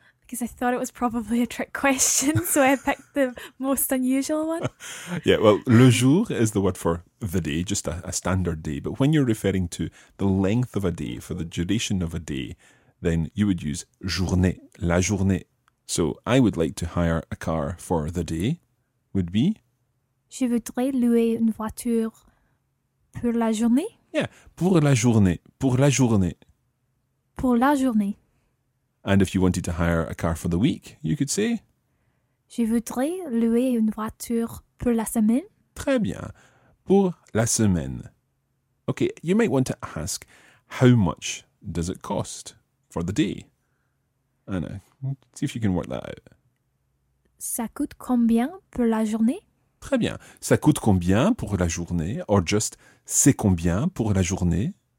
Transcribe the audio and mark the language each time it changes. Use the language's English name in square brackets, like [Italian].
[English] Because I thought it was probably a trick question, so I picked the most unusual one. Yeah, well, [French] le jour [English] is the word for the day, just a standard day. But when you're referring to the length of a day, for the duration of a day, then you would use [French] journée, la journée. [English] So, I would like to hire a car for the day would be? [French] Je voudrais louer une voiture pour la journée. [English] Yeah, [French] pour la journée, pour la journée. Pour la journée. [English] And if you wanted to hire a car for the week, you could say? [French] Je voudrais louer une voiture pour la semaine. Très bien, pour la semaine. [English] Okay, you might want to ask, how much does it cost for the day? Anna, see if you can work that out. [French] Ça coûte combien pour la journée? Très bien. Ça coûte combien pour la journée? [English] Or just, [French] c'est combien pour la journée?